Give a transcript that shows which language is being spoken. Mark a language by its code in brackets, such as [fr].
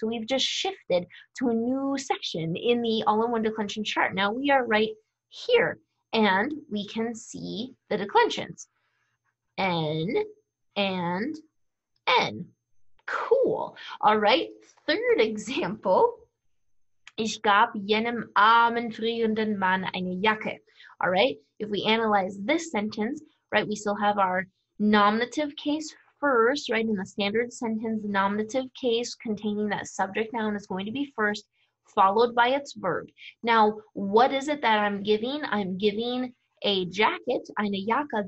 [en] So we've just shifted to a new section in the all-in-one declension chart. Now we are right here and we can see the declensions. N and N. Cool. All right, third example. [de] Ich gab jenem armen frierenden Mann eine Jacke. [en] All right, if we analyze this sentence, right, we still have our nominative case first, right? In the standard sentence, the nominative case containing that subject noun is going to be first, followed by its verb. Now, what is it that I'm giving? I'm giving a jacket, [de] eine Jacke.